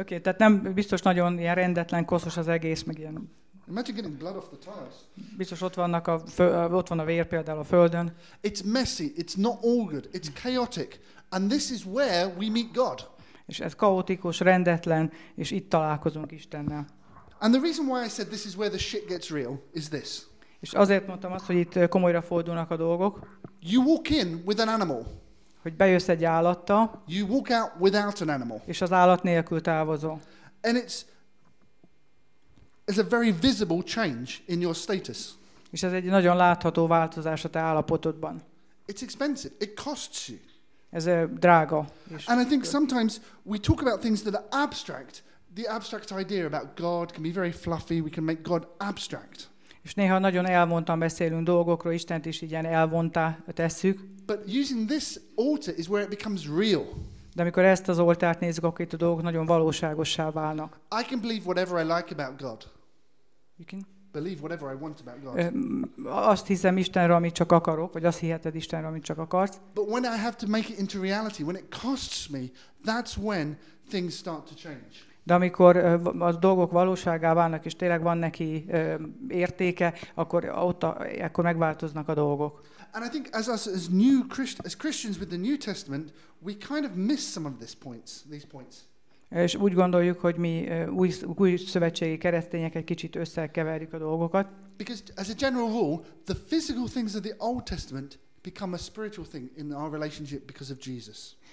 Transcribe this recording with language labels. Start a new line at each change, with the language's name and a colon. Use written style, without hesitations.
Hungarian: Okay, tehát nem biztos nagyon ilyen rendetlen, koszos az egész, meg ilyen.
English: Imagine getting blood off the tiles.
Hungarian: Biztos ott vannak a ott van a vér például a földön.
English: It's messy. It's not all good. It's chaotic. And this is where we meet God.
Hungarian: És ez kaotikus, rendetlen, és itt találkozunk Istennel.
English: And the reason why I said this is where the shit gets real is this.
Hungarian: És azért mondtam azt, hogy itt komolyra fordulnak a dolgok.
English: You walk in with an animal.
Hungarian: Hogy bejössz egy állattal.
English: You walk out without an animal.
Hungarian: És az állat nélkül távozol.
English: And it's a very visible change in your status.
Hungarian: És ez egy nagyon látható változás a te állapotodban.
English: It's expensive. It costs you.
Hungarian: Ez drága.
English: And I think sometimes we talk about things that are abstract. The abstract idea about God can be very fluffy. We can make God abstract.
Hungarian: És néha nagyon elvontan beszélünk dolgokról, Istent is így elvontá tesszük.
English: But using this altar is where it becomes real.
Hungarian: De amikor ezt az oltárt nézzük, akkor itt a dolgok nagyon valóságossá válnak.
English: I can believe whatever I like about God. You can believe whatever I want about God.
Hungarian: Azt hiszem Istenről, amit csak akarok, vagy azt hiheted Istenről, amit csak akarsz.
English: But when I have to make it into reality, when it costs me, that's when things start to change.
Hungarian: De amikor a dolgok valóságá válnak, és tényleg van neki értéke, akkor megváltoznak a dolgok.
English: And I think as Christians with the New Testament, we kind of miss some of these points.
Hungarian: És úgy gondoljuk, hogy mi új szövetségi keresztények egy kicsit összekeverjük a dolgokat.
English: Because as a general rule, the physical things of the Old Testament become a spiritual thing in our relationship because of Jesus.